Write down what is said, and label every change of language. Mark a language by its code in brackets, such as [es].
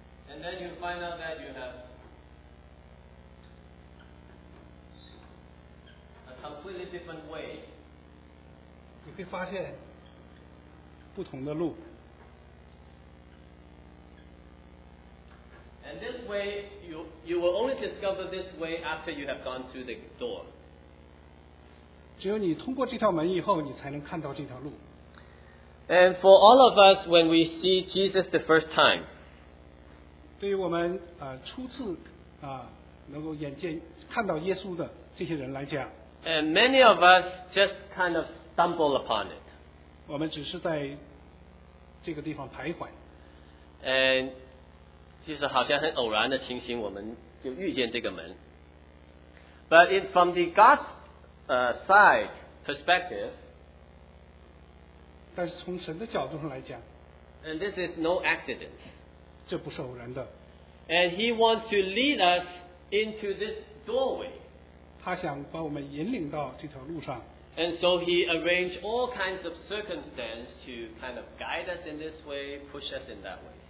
[en] and then you find out that you have a completely different way. [zh] 你会发现不同的路 [en] and this way you will only discover this way after you have gone through the door. [zh] 只有你通过这条门以后你才能看到这条路。 [en] And for all of us, when we see Jesus the first time, [zh] 对于我们初次能够眼见看到耶稣的这些人来讲， [en] and many of us just kind of stumble upon it. [zh] 我们只是在这个地方徘徊。 And 其实好像很偶然的情形，我们就遇见这个门。 [en] But from the God's side perspective. [zh] 但是从神的角度上来讲 [en] And this is no accident. [zh] 这不是偶然的。 [en] And he wants to lead us into this doorway. [zh] 他想把我们引领到这条路上。 [en] And so he arranged all kinds of circumstances to kind of guide us in this way, push us in that way.